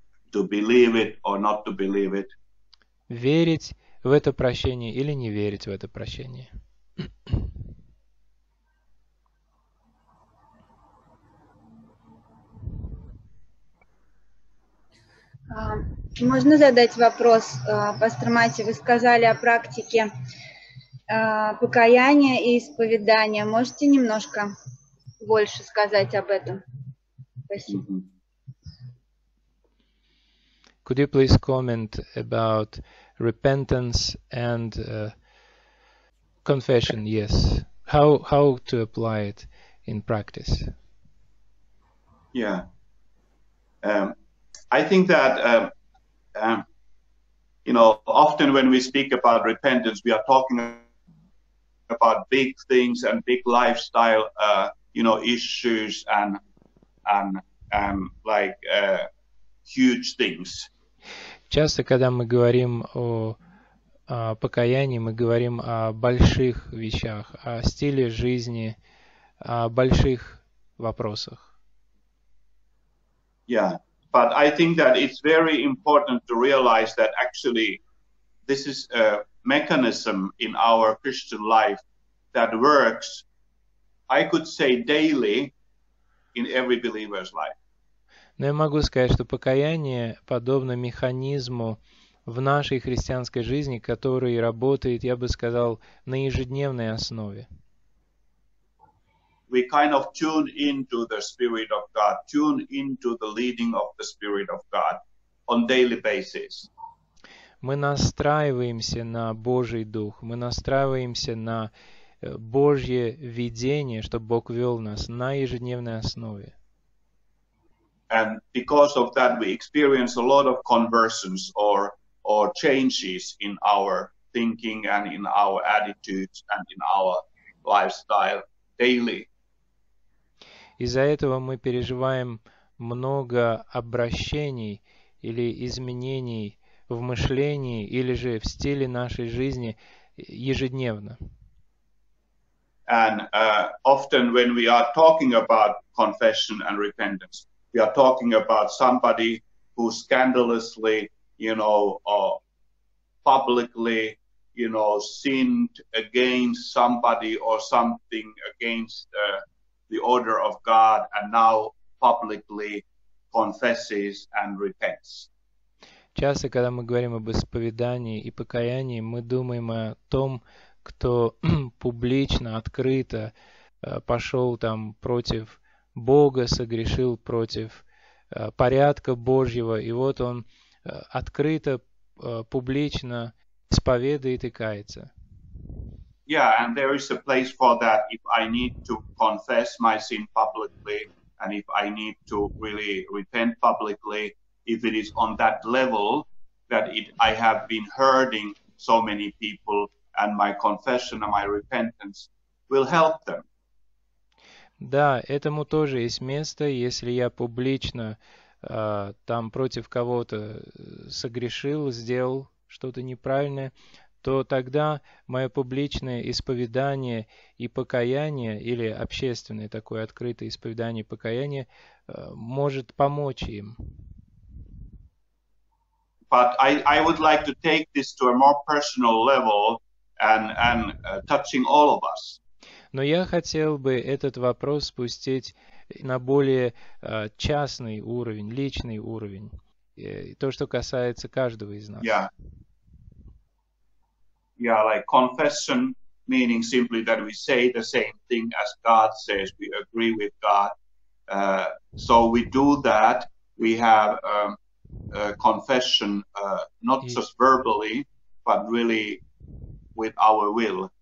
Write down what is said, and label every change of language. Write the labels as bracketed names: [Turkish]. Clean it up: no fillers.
[English] To believe it or not to believe it. [Russian] Верить в это прощение или не верить в это прощение. Можно задать вопрос, пастор Матти? Вы сказали о практике покаяния и исповедания. Можете немножко больше сказать об этом? Спасибо. [English] Could you please comment about repentance and confession? Yes. How to apply it in practice? Yeah. I think that, you know, often when we speak about repentance, we are talking about big things and big lifestyle, you know, issues and like huge things. [Russian] Часто, когда мы говорим о покаянии, мы говорим о больших вещах, о стиле жизни, о больших вопросах. [English] Yeah. But I think that it's very important to realize that actually this is a mechanism in our Christian life that works, I could say daily, in every believer's life. [Russian] Но я могу сказать, что покаяние подобно механизму в нашей христианской жизни, который работает, я бы сказал, на ежедневной основе. [English] We kind of tune into the Spirit of God, tune into the leading of the Spirit of God on daily basis. [Russian] Мы настраиваемся на Божий Дух, мы настраиваемся на Божье видение, чтобы Бог вел нас на ежедневной основе. [English] And because of that, we experience a lot of conversions or changes in our thinking and in our attitudes and in our lifestyle daily. [Russian] Из-за этого мы переживаем много обращений или изменений в мышлении или же в стиле нашей жизни ежедневно. [English] And often when we are talking about confession and repentance, we are talking about somebody who scandalously, you know, publicly, you know, sinned against somebody or something, against the order of God, and now publicly confesses and repents. [Russian] Часто, когда мы говорим об исповедании и покаянии, мы думаем о том, кто публично, открыто пошел там против Бога, согрешил против порядка Божьего, и вот он открыто, публично исповедует и кается. [English] Yeah, and there is a place for that if I need to confess my sin publicly, and if I need to really repent publicly, if it is on that level that it, I have been hurting so many people, and my confession and my repentance will help them. [Russian] Да, этому тоже есть место, если я публично там против кого-то согрешил, сделал что-то неправильное, то тогда мое публичное исповедание и покаяние, или общественное такое открытое исповедание и покаяние, может помочь им. [English] But I would like to take this to a more personal level and touching all of us. [Russian] Но я хотел бы этот вопрос спустить на более частный уровень, личный уровень, то, что касается каждого из нас. [English] Yeah. Yeah, like confession, meaning simply that we say the same thing as God says, we agree with God. So we do that, we have confession, not just verbally, but really with our will.